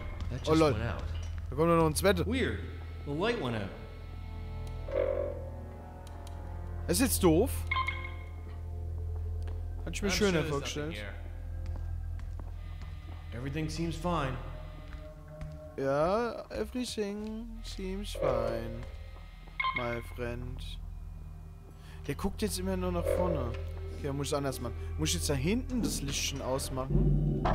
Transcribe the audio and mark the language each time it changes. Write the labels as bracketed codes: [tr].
[en] That just went out. [de] Da kommt noch ein zweiter. [en] Weird. The light went out. [de] Es ist doof. Hat ich mir schöner vorgestellt. [en] Everything seems fine. Ja, everything seems fine. My friend. [de] Der guckt jetzt immer nur nach vorne. Okay, muss ich anders machen. Muss ich jetzt da hinten das Lichtchen ausmachen?